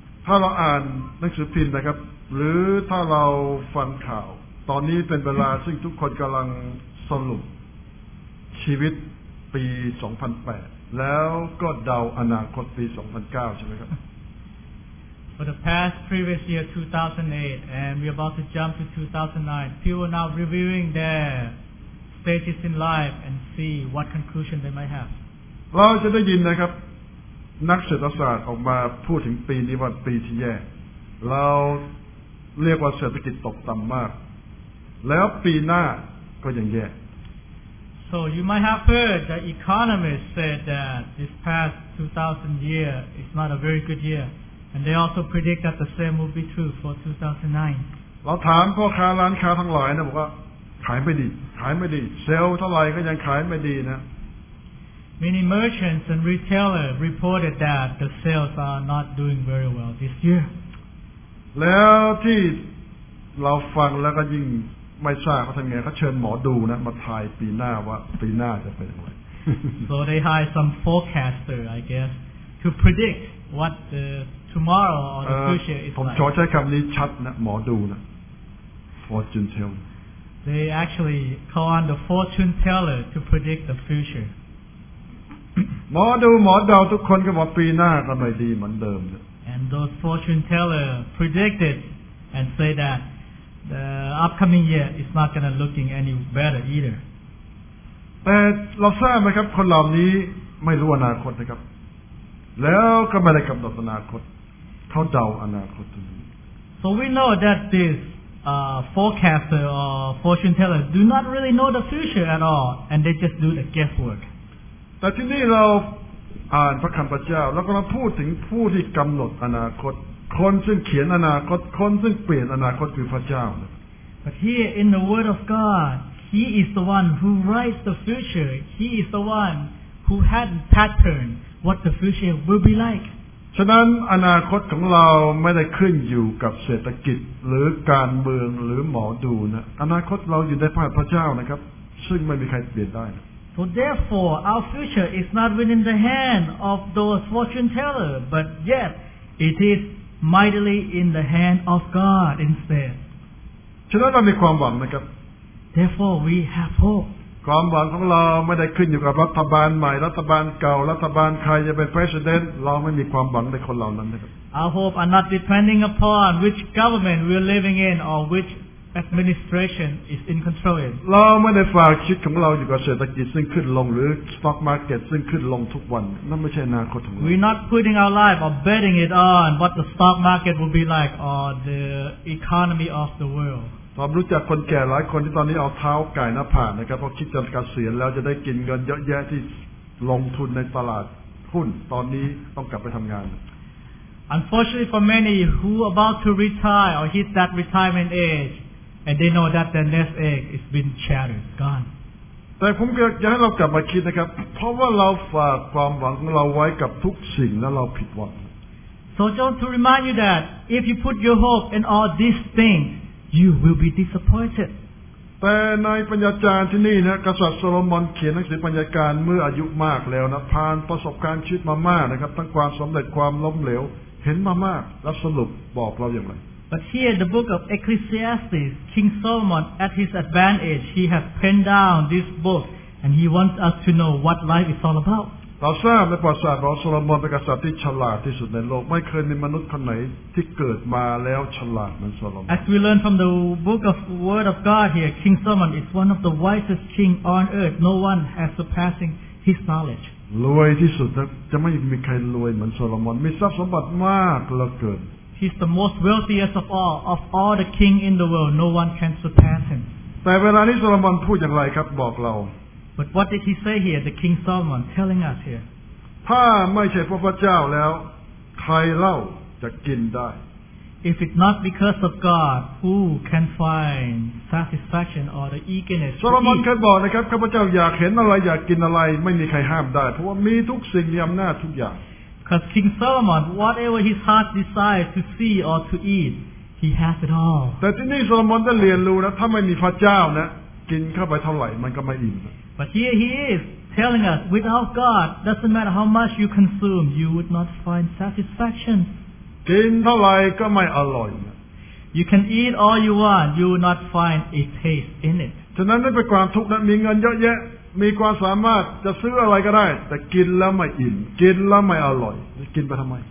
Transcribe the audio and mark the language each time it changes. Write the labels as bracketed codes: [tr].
[th] ถ้าเราอ่านหนังสือพิมพ์นะครับหรือถ้าเราฟังข่าวตอนนี้เป็นเวลาซึ่งทุกคนกำลังสรุปชีวิตปี2008แล้วก็เดาอนาคตปี2009ใช่ไหมครับ [en] For the past previous year 2008 and we're about to jump to 2009 people are now reviewing their stages in life and see what conclusion they might have [th] เราจะได้ยินนะครับนักเศรษฐศาสตร์ออกมาพูดถึงปีนี้ว่าปีที่แย่เราเรียกว่าเศรษฐกิจตกต่ำมากแล้วปีหน้าก็ยังแย่ [en] So you might have heard that economists said that this past 2000 year is not a very good yearAnd they also predict that the same will be true for 2009. [th] เราถามพ่อค้าร้านค้าทั้งหลายนะบอกว่าขายไม่ดีเซลล์เท่าไหร่ก็ยังขายไม่ดีนะ [en] Many merchants and retailers reported that the sales are not doing very well this year. [th] แล้วที่เราฟังแล้วก็ยิ่งไม่ทราบเขาทำไงเขาเชิญหมอดูนะมาทายปีหน้าว่าปีหน้าจะเป็นยังไง [en] So they hire some forecaster, I guess, to predict what the tomorrow or the future is [th] ผมขอใช้คำนี้ชัดนะหมอดูนะ fortune teller [en] they actually call on the fortune teller to predict the future [th] หมอดูหมอเดาทุกคนก็บอกปีหน้าก็ไม่ดีเหมือนเดิม [en] and those fortune teller predicted and say that the upcoming year is not going to looking any better either [th] แต่เราทราบไหมครับคนเหล่านี้ไม่รู้อนาคตนะครับแล้วก็ไม่ได้กำหนดอนาคตเขาเดาอนาคตตรงนี้ [en] So we know that this forecaster or fortune teller do not really know the future at all and they just do the guesswork [th] แต่ที่นี่เราอ่านพระคัมภีร์เจ้าแล้วก็เราพูดถึงผู้ที่กำหนดอนาคตคนซึ่งเขียนอนาคตคนซึ่งเปลี่ยนอนาคตคือพระเจ้า [en] But here in the word of God he is the one who writes the future he is the one who had patternedWhat the future will be like. [th] ฉะนั้นอนาคตของเราไม่ได้ขึ้นอยู่กับเศรษฐกิจหรือการเมืองหรือหมอดูนะอนาคตเราอยู่ในพระเจ้านะครับซึ่งไม่มีใครเปลี่ยนได้นะ [en] So therefore, our future is not within the hand of those fortune tellers, but yet it is mightily in the hand of God instead. [th] ฉะนั้นเรามีความหวังนะครับ [en] Therefore, we have hope. [th] ความหวังของเราไม่ได้ขึ้นอยู่กับรัฐบาลใหม่รัฐบาลเก่ารัฐบาลใครจะเป็น president เราไม่มีความหวังในคนเหล่านั้นนะครับ [en] Our hope are not depending upon which government we are living in or which administration is in control. [th] เราไม่ได้ฝากชีวิตของเราอยู่กับเศรษฐกิจซึ่งขึ้นลงหรือ stock market ซึ่งขึ้นลงทุกวันนั่นไม่ใช่อนาคตของเรา [en] We're not putting our life or betting it on what the stock market will be like or the economy of the world. [th] ผมรู้จักคนแก่หลายคนที่ตอนนี้เอาเท้าไก่หน้าผากนะครับเพราะคิดจนเกษียณแล้วจะได้กินเงินเยอะแยะที่ลงทุนในตลาดหุ้นตอนนี้ต้องกลับไปทำงาน [en] Unfortunately for many who are about to retire or hit that retirement age and they know that their nest egg is been shattered gone [th] แต่ผมอยากให้เรากลับมาคิดนะครับเพราะว่าเราฝากความหวังของเราไว้กับทุกสิ่งแล้วเราผิดหวัง [en] So just to remind you that if you put your hope in all these thingsYou will be disappointed. [th] แต่ในปัญญาจารย์ที่นี่นะกษัตริย์โซโลมอนเขียนหนังสือปัญญาการเมื่ออายุมากแล้วนะผ่านประสบการณ์ชีวิตมามากนะครับทั้งความสำเร็จความล้มเหลวเห็นมามากแล้วสรุปบอกเราอย่างไร [en] But here the book of Ecclesiastes, King Solomon, at his advantage, he has penned down this book, and he wants us to know what life is all about. [th] เราทราบในประวัติศาสตร์ของโซโลมอนเป็นกษัตริย์ที่ฉลาดที่สุดในโลกไม่เคยมีมนุษย์คนไหนที่เกิดมาแล้วฉลาดเหมือนโซโลมอน [en] As we learn from the book of word of God here King Solomon is one of the wisest king on earth no one has surpassing his knowledge [th] รวยที่สุดจะไม่มีใครรวยเหมือนโซโลมอนมีทรัพย์สมบัติมากเหลือเกิน [en] He's the most wealthiest of all the king in the world no one can surpass him [th] แต่เวลานี้โซโลมอนพูดอย่างไรครับบอกเรา [en] But what did he say here, the King Solomon, telling us here? [th] ถ้าไม่ใช่พระเจ้าแล้วใครเล่าจะกินได้ [en] If it's not because of God, who can find satisfaction or the eagerness to eat? [th] Solomon เคยบอกนะครับข้าพเจ้าอยากเห็นอะไรอยากกินอะไรไม่มีใครห้ามได้เพราะว่ามีทุกสิ่งมีอำนาจทุกอย่าง [en] Because King Solomon, whatever his heart desires to see or to eat, he has it all. [th] แต่ที่นี่โซโลมอนได้เรียนรู้นะถ้าไม่มีพระเจ้านะกินเข้าไปเท่าไหร่มันก็ไม่อิ่ม [en] But here he is telling us, without God, doesn't matter how much you consume, you would not find satisfaction. [th] กินเท่าไรก็ไม่อร่อย [en] You can eat all you want, you would not find a taste in it. [th] ฉะนั้นเป็นความทุกข์นะมีเงินเยอะแยะมีความสามารถจะซื้ออะไรก็ได้แต่กินแล้วไม่อิ่มกินแล้วไม่อร่อยกินไปทำไม